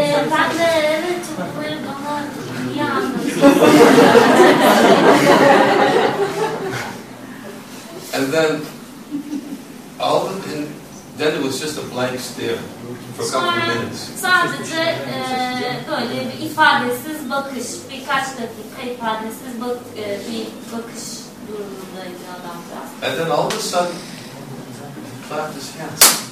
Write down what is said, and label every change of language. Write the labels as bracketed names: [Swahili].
[Turkish] Ben de evet çok böyle bana iyi anlatıyorum. [English] And then all of them, then it was just a blank stare for a couple of minutes. [Turkish] Sadece böyle bir ifadesiz bakış, birkaç dakika ifadesiz bir bakış durumundaydı adamda. [English] And then all of a sudden, he clapped his hands.